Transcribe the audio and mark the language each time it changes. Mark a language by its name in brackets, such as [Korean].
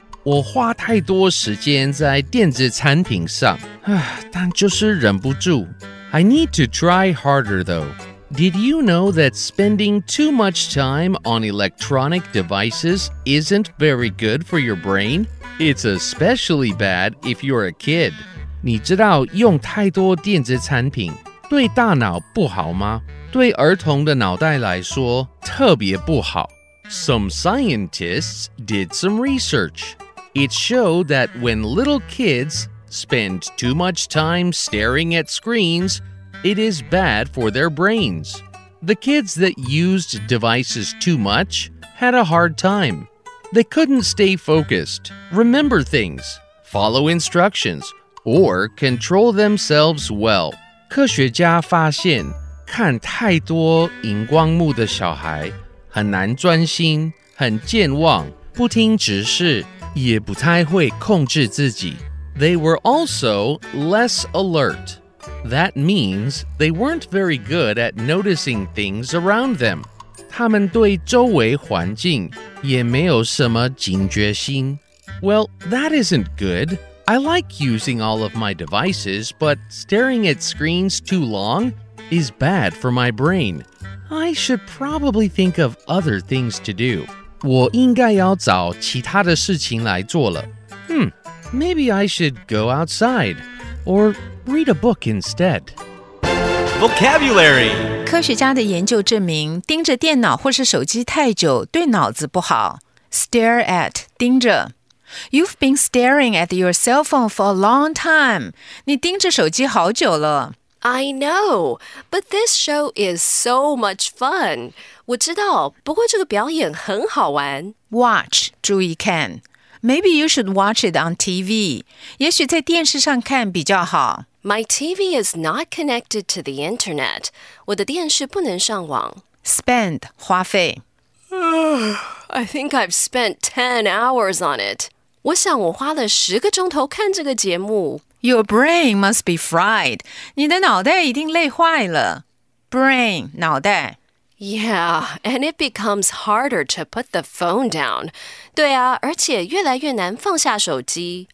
[Chinese] 我花太多时间在电子产品上，但就是忍不住。 [English] I need to try harder though. Did you know that spending too much time on electronic devices isn't very good for your brain? It's especially bad if you're a kid. [Chinese] 你知道用太多电子产品对大脑不好吗？对儿童的脑袋来说特别不好。 [English] Some scientists did some research. It showed that when little kids spend too much time staring at screens, it is bad for their brains. The kids that used devices too much had a hard time. They couldn't stay focused, remember things, follow instructions, or control themselves well. [Chinese] 科学家发现，看太多荧光幕的小孩很难专心，很健忘，不听指示，也不太会控制自己。 [English] They were also less alert. That means they weren't very good at noticing things around them. [Chinese] 他们对周围环境也没有什么警觉心。 [English] Well, that isn't good. I like using all of my devices, but staring at screens too long is bad for my brain. I should probably think of other things to do. [Chinese] 我应该要找其他的事情来做了。 [English] Maybe I should go outside or read a book instead. Vocabulary. [Chinese] 科学家的研究证明，盯着电脑或是手机太久对脑子不好。 [English] Stare at, [Chinese] 盯着。 [English] You've been staring at your cell phone for a long time. [Chinese] 你盯着手机好久了。 [English] I know, but this show is so much fun. [Chinese] 我知道，不过这个表演很好玩。 [English] Watch, [Chinese] 注意看。 [English] Maybe you should watch it on TV. [Chinese] 也许在电视上看比较好。 [English] My TV is not connected to the internet. [Chinese] 我的电视不能上网。 [English] Spend, [Chinese] 花费。 [English] I think I've spent 10 hours on it. [Chinese] 我想我花了十个钟头看这个节目。 [English] Your brain must be fried. [Chinese] 你的脑袋一定累坏了。 [English] Brain, [Chinese] 脑袋。 [English] Yeah, and it becomes harder to put the phone down. [Chinese] 对啊，而且越来越难放下手机。